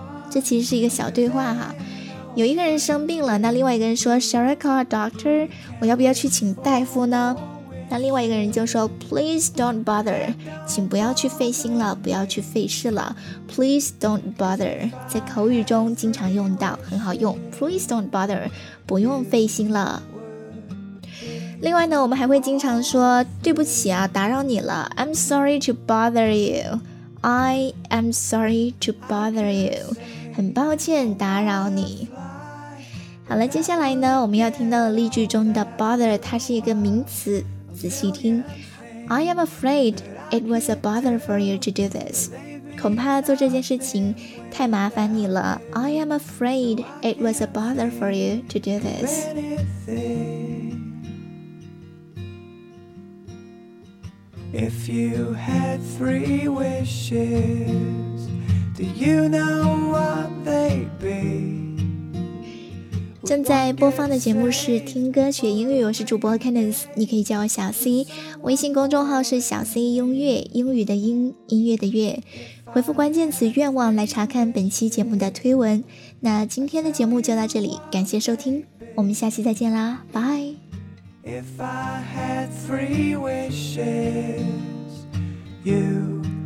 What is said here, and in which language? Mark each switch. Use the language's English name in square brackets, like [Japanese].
[Chinese] 这其实是一个小对话哈，有一个人生病了，那另外一个人说 [English] Shall I call a doctor? [Chinese] 我要不要去请大夫呢？那另外一个人就说 [English] Please don't bother， [Chinese] 请不要去费心了，不要去费事了。 [English] Please don't bother [Chinese] 在口语中经常用到，很好用。 [English] Please don't bother， [Chinese] 不用费心了。另外呢，我们还会经常说对不起啊，打扰你了。 [English] I'm sorry to bother you， I am sorry to bother you， [Chinese] 很抱歉打扰你。好了，接下来呢我们要听到的例句中的 bother 它是一个名词，仔细听。 [English] I am afraid it was a bother for you to do this， [Chinese] 恐怕做这件事情太麻烦你了。 [English] I am afraid it was a bother for you to do this。 If you had three wishes， do you know what they'd be？ [Chinese] 正在播放的节目是听歌学英语，我是主播 Candice， 你可以叫我小 C， 微信公众号是小 C 音乐，英语的英，音乐的乐，回复关键词愿望来查看本期节目的推文。那今天的节目就到这里，感谢收听，我们下期再见啦，拜。 [English] If I had three wishes you